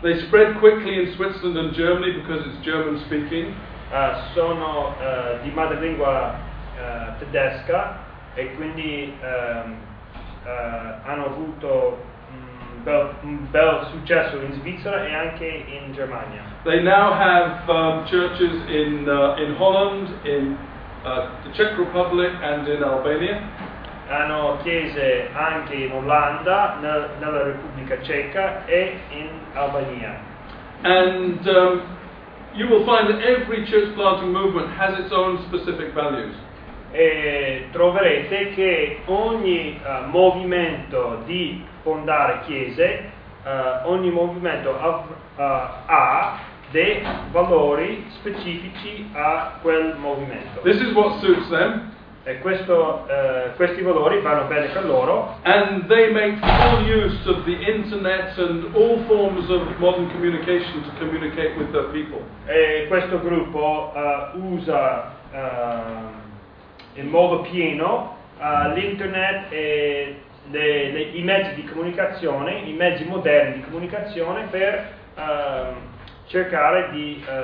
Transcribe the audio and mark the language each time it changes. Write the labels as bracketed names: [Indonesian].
[English] They spread quickly in Switzerland and Germany because it's German speaking. [Italian] Sono di madrelingua tedesca e quindi hanno avuto un bel successo in Svizzera e anche in Germania. [English] They now have churches in Holland, in the Czech Republic and in Albania. [Italian] Hanno chiese anche in Olanda, nella Repubblica Ceca e in Albania. [English] And you will find that every church planting movement has its own specific values. [Italian] E troverete che ogni movimento di fondare chiese, ogni movimento ha dei valori specifici a quel movimento. [English] This is what suits them. [Italian] E questi valori vanno bene per loro. [English] And they make full use of the internet and all forms of modern communication to communicate with their people. [Italian] E questo gruppo usa in modo pieno l'internet e i mezzi di comunicazione, i mezzi moderni di comunicazione per cercare di